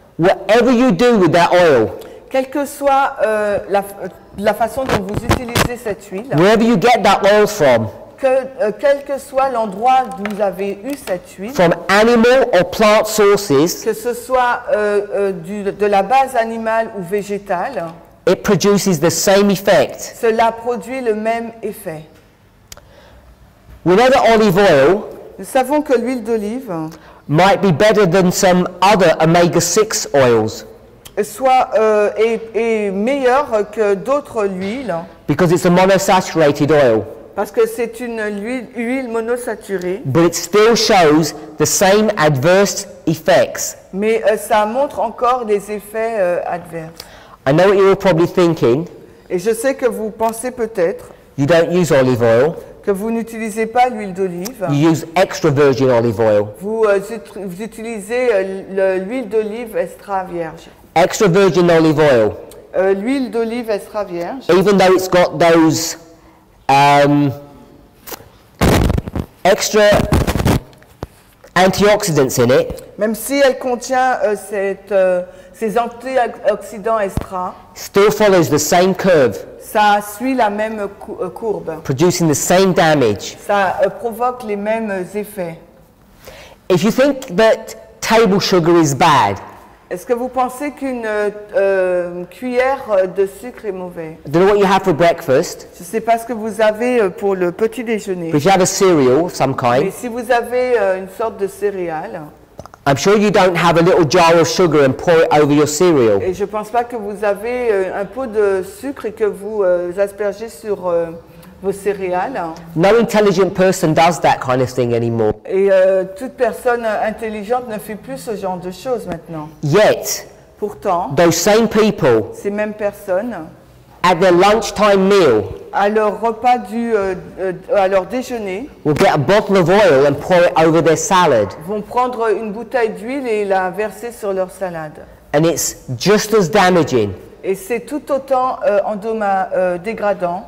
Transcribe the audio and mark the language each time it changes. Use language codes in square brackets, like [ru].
[en] Whatever you do with that oil. [fr] Quelle que soit la façon dont vous utilisez cette huile. [en] Wherever you get that oil from. [fr] Quel que soit l'endroit d'où vous avez eu cette huile. [en] From animal or plant sources. [fr] Que ce soit de la base animale ou végétale. [en] It produces the same effect. [fr] Cela produit le même effet. [en] Whenever olive oil. [fr] Nous savons que l'huile d'olive [en] might be better than some other omega-6 oils. [fr] Soit est meilleure que d'autres huiles. [en] Because it's a monosaturated oil. [fr] Parce que c'est une huile monosaturée. [en] But it still shows the same adverse effects. [fr] Mais ça montre encore des effets adverses. [en] I know what you were probably thinking. [fr] Et je sais que vous pensez peut-être. [en] You don't use olive oil. [fr] Que vous n'utilisez pas l'huile d'olive. [en] You use extra virgin olive oil. [fr] Vous utilisez l'huile d'olive extra vierge. [en] Extra virgin olive oil. [fr] L'huile d'olive extra vierge. [en] Even though it's got those extra antioxidants in it. [fr] Même si elle contient ces antioxydants extra. [en] Still follows the same curve. [fr] Ça suit la même courbe. [en] Producing the same damage. [fr] Ça provoque les mêmes effets. [en] If you think that table sugar is bad. [fr] Est-ce que vous pensez qu'une cuillère de sucre est mauvaise? [en] Do you know what you have for breakfast? [fr] Je ne sais pas ce que vous avez pour le petit déjeuner. [en] But if you have a cereal of some kind. [fr] Mais si vous avez une sorte de céréale. [en] I'm sure you don't have a little jar of sugar and pour it over your cereal. [fr] Et je pense pas que vous avez un pot de sucre et que vous aspergez sur vos céréales. [en] No intelligent person does that kind of thing anymore. [fr] Et toute personne intelligente ne fait plus ce genre de choses maintenant. [en] Yet. [fr] Pourtant. [en] Those same people. [fr] Ces mêmes personnes. [en] At their lunchtime meal. [fr] À leur repas du à leur déjeuner. [en] Will get a bottle of oil and pour it over their salad. [fr] Vont prendre une bouteille d'huile et la verser sur leur salade. [en] And it's just as damaging. [fr] Et c'est tout autant dégradant.